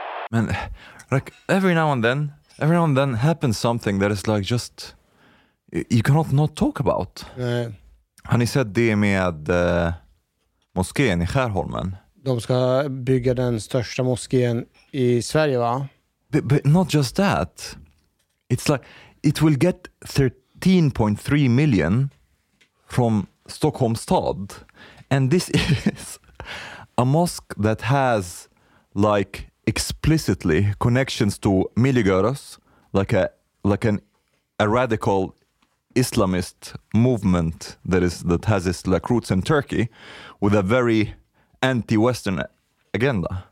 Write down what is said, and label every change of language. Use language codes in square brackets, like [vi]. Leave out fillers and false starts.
[en] Man, like every now and then happens something that is like just you cannot not talk about. [sv] Nej. Har ni sett det med moskén i Skärholmen? De ska bygga den största moskén i Sverige, va? [en] But not just that. It's like it will get 13.3 million from Stockholms stad, and this is a mosque that has like explicitly connections to Miligöros, like a radical Islamist movement that has its like roots in Turkey, with a very anti-Western agenda.